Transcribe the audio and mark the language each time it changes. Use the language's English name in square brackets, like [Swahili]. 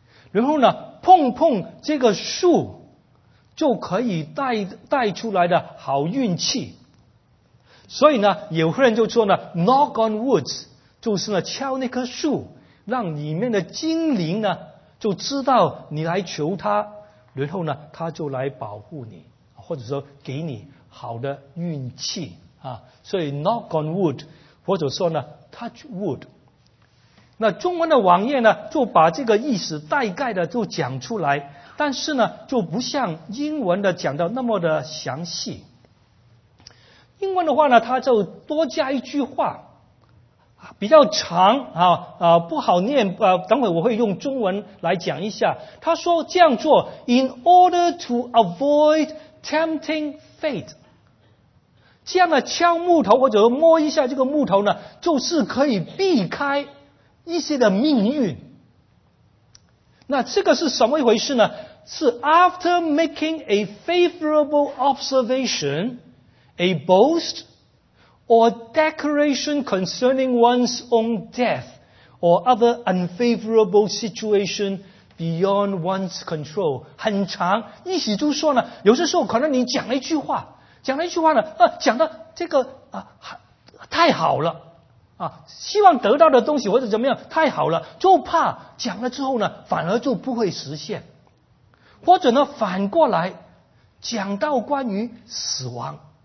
[Chinese] 然后呢碰碰这个树就可以 带出来的好运气，所以呢有些人就说呢 [English] knock on woods [Chinese] 就是呢敲那棵树，让里面的精灵呢就知道你来求他，然后呢他就来保护你，或者说给你好的运气啊。所以 [English] knock on wood [Chinese] 或者说呢 [English] touch wood。 [Chinese] 那中文的网页呢就把这个意思大概的就讲出来，但是呢就不像英文的讲到那么的详细。英文的话呢它就多加一句话比较长不好念等会我会用中文来讲一下。他说这样做 [English] in order to avoid tempting fate。 [Chinese] 这样的敲木头或者摸一下这个木头呢就是可以避开一些的命运。那这个是什么一回事呢？ [English] 是 after making a favorable observation, a boast, or declaration concerning one's own death, or other unfavorable situation beyond one's control. [Chinese] 很长，意思就是说呢，有些时候可能你讲了一句话，讲了一句话呢，讲的这个太好了。希望得到的东西或者怎么样太好了，就怕讲了之后呢反而就不会实现，或者呢反过来讲到关于死亡，